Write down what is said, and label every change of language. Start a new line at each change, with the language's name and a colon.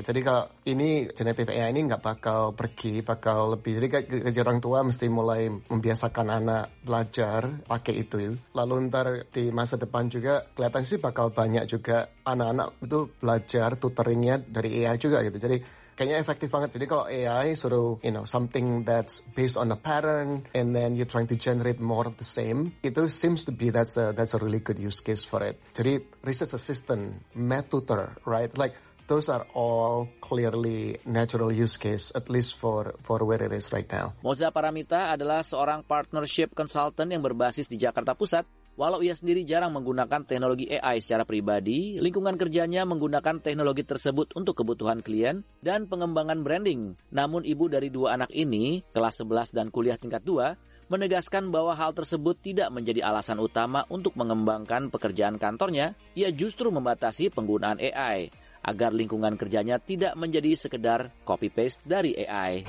Indonesian: Jadi kalau ini generative AI ini nggak bakal pergi, bakal lebih. Jadi kayak orang tua mesti mulai membiasakan anak belajar pakai itu. Lalu ntar di masa depan juga kelihatan sih bakal banyak juga anak-anak itu belajar tutoringnya dari AI juga gitu. Jadi kayaknya efektif banget.
English: Jadi kalau AI suruh something that's based on a pattern and then you're trying to generate more of the same, itu seems to be that's a really good use case for it. Jadi research assistant, math tutor, right? Like those are all clearly natural use case, at least for where it is right now.
Indonesian: Moza Paramita adalah seorang partnership consultant yang berbasis di Jakarta Pusat. Walau ia sendiri jarang menggunakan teknologi AI secara pribadi, lingkungan kerjanya menggunakan teknologi tersebut untuk kebutuhan klien dan pengembangan branding. Namun ibu dari dua anak ini, kelas 11 dan kuliah tingkat 2, menegaskan bahwa hal tersebut tidak menjadi alasan utama untuk mengembangkan pekerjaan kantornya, ia justru membatasi penggunaan AI agar lingkungan kerjanya tidak menjadi sekedar copy-paste dari AI.